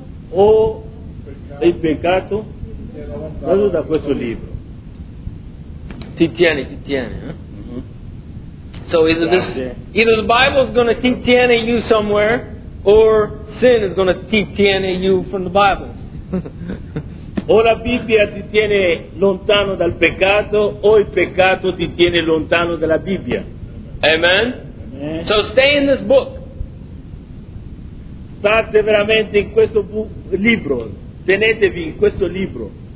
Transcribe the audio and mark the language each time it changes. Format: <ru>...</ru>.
<it>O il peccato dato da questo libro. Ti tiene, eh?</it> <en>So either the Bible is going to tiene you somewhere, or sin is going to tiene you from the Bible.</en> <it>O la Bibbia ti tiene lontano dal peccato, o il peccato ti tiene lontano dalla Bibbia.</it> <en>Amen. So stay in this book.</en> <it>State veramente in questo libro. Tenetevi in questo libro.</it>